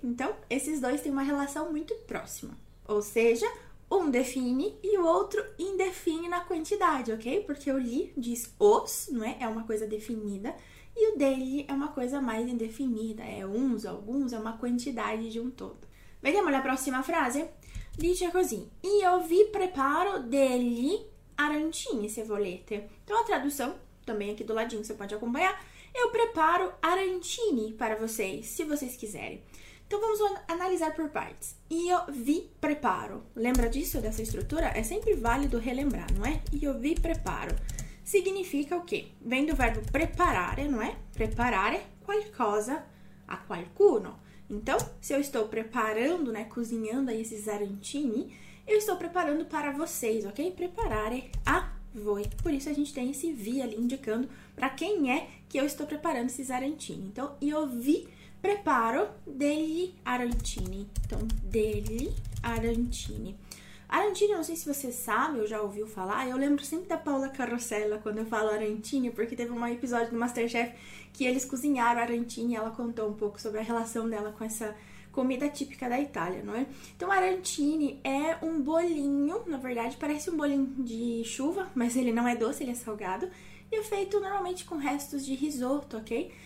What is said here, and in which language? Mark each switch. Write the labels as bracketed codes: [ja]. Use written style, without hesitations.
[pt] Então, esses dois têm uma relação muito próxima. Ou seja, um define e o outro indefine na quantidade, ok? Porque o li diz os, não é? É uma coisa definida. E o degli é uma coisa mais indefinida. É uns, alguns, é uma quantidade de um todo. [it] Vediamo la prossima frase? Dice così: Io vi preparo degli arancini, se volete. [pt] Então, a tradução, também aqui do ladinho, você pode acompanhar. Eu preparo arancini para vocês, se vocês quiserem. Então, vamos analisar por partes. [it] Io vi preparo. [pt] Lembra disso, dessa estrutura? É sempre válido relembrar, não é? [it] Io vi preparo. [pt] Significa o quê? Vem do verbo preparare, não é? [it] Preparare qualcosa a qualcuno. [pt] Então, se eu estou preparando, né, cozinhando aí esses arancini, eu estou preparando para vocês, ok? [it] Preparare a Foi. [pt] Por isso a gente tem esse vi ali indicando para quem é que eu estou preparando esses arancini. [it] Então, io vi preparo degli arancini. Então, degli arancini. [pt] Arancini, não sei se você sabe ou já ouviu falar, eu lembro sempre da Paula Carosella quando eu falo arancini, porque teve um episódio do Masterchef que eles cozinharam arancini e ela contou um pouco sobre a relação dela com essa comida típica da Itália, não é? Então, arancini é um bolinho, na verdade, parece um bolinho de chuva, mas ele não é doce, ele é salgado, e é feito normalmente com restos de risoto, ok?